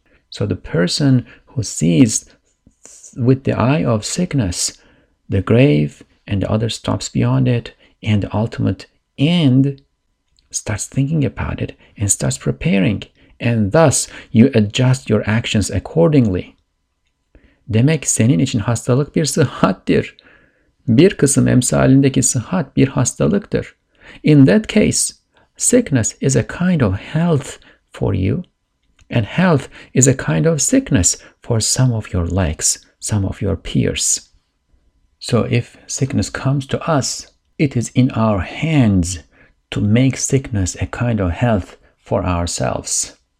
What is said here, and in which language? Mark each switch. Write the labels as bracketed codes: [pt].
[en] So the person who sees with the eye of sickness the grave and the other stops beyond it and the ultimate end starts thinking about it and starts preparing, and thus you adjust your actions accordingly. [tr] Demek senin için hastalık bir sıhhattir. Bir kısım emsalindeki sıhhat bir hastalıktır. [en] In that case, sickness is a kind of health for you, and health is a kind of sickness for some of your likes, some of your peers. So if sickness comes to us, it is in our hands to make sickness a kind of health for ourselves.